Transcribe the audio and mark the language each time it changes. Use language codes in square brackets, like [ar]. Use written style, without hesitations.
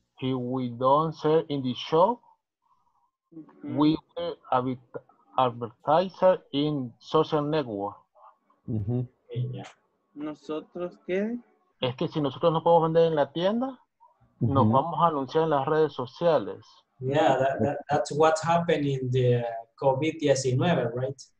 [en] If we don't sell in the shop, we will advertise in social network. Mm-hmm. Okay, yeah. [es] ¿Nosotros qué? Es que si nosotros no podemos vender en la tienda, nos vamos a anunciar en las redes sociales. [en] Yeah, that's what happened in the COVID-19, right?